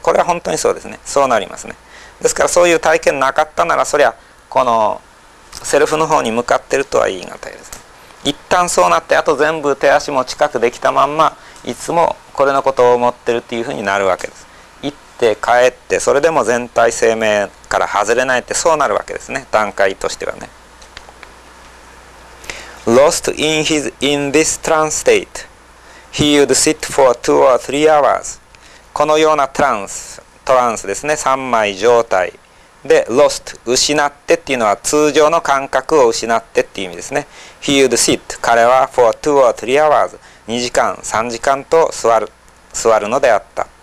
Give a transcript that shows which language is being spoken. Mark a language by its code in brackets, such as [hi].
[ja] これは本当にそうですね、そうなりますね。ですからそういう体験なかったなら、そりゃこのセルフの方に向かってるとは言い難いです。一旦そうなって、あと全部手足も知覚できたまんま、いつもこれのことを思ってるっていうふうになるわけです。行って帰って、それでも全体生命から外れないって、そうなるわけですね、段階としてはね。 [en] Lost in his, in this trance state He would sit for two or three hours。 [ja] このようなトランス、トランスですね、三昧状態で、 Lost、 失ってっていうのは通常の感覚を失ってっていう意味ですね。 [en] He would sit、 [ja] 彼は [en] for two or three hours、 [ja] 2時間、3時間と座るのであった。